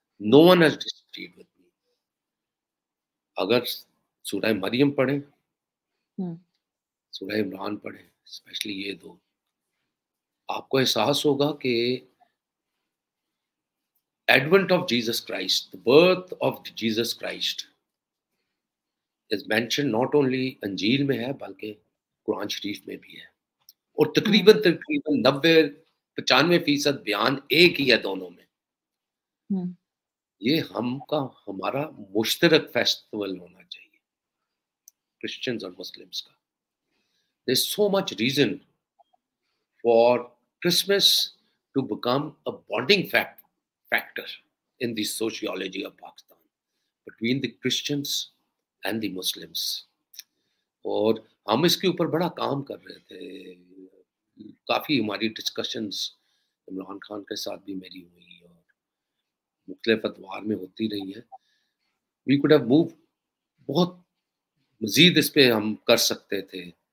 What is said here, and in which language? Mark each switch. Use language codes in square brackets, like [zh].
[en] No one has disputed with me. [ur] اگر سورہ مریم پڑھیں, سورہ عمران پڑھیں, اسپیشلی یہ دو, آپ کو احساس ہوگا کہ [en] advent of Jesus Christ, the birth of Jesus Christ is mention not only [ur] انجیل میں ہے بلکہ قرآن شریف میں بھی ہے. اور تقریباً 90-95% بیان ایک ہی ہے دونوں میں. یہ ہم کا ہمارا مشترک فیسٹیول ہونا چاہیے کرسچنز اور مسلمز کا. [en] There is so much reason for Christmas to become a bonding factor in the sociology of Pakistan between the Christians and the Muslims. [ur] اور ہم اس کے اوپر بڑا کام کر رہے تھے, کافی ہماری ڈسکشنز عمران خان کے ساتھ بھی میری ہوئی اور مختلف ادوار میں ہوتی رہی ہیں. [en] we could have move [ur] بہت مزید اس پہ ہم کر سکتے تھے.